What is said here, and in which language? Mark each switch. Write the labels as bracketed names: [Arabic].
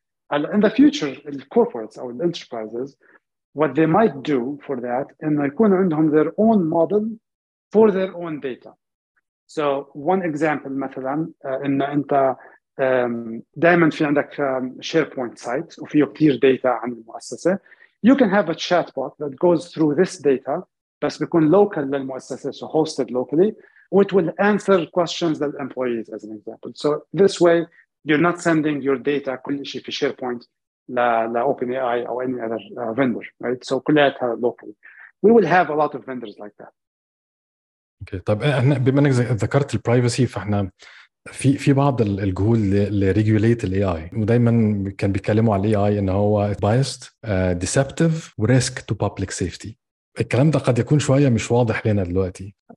[English] And in the future, the corporates or the enterprises, what they might do for that, and they can have their own model for their own data. So one example, مثلا, [Arabic] إن أنت دائماً في عندك [English] SharePoint site [Arabic] وفيه كتير [English] data عن المؤسسة. You can have a chatbot that goes through this data, [Arabic] بس بيكون [English] local [Arabic] للمؤسسة, [English] so hosted locally, which will answer questions that employees, as an example. So this way, you're not sending your data [Arabic] كل شيء في [English] SharePoint لا OpenAI or any other vendor, right? So [Arabic] كل هذا [English] locally. We will have a lot of vendors like that. Okay. [Arabic] طب احنا بما انك ذكرت البرايفسي فاحنا في بعض الجهود لريجوليت الاي اي ودايما كان بيتكلموا على الاي اي ان هو بايست ديسبتيف وريسك تو بابليك سيفتي. الكلام ده قد يكون شويه مش واضح لنا دلوقتي.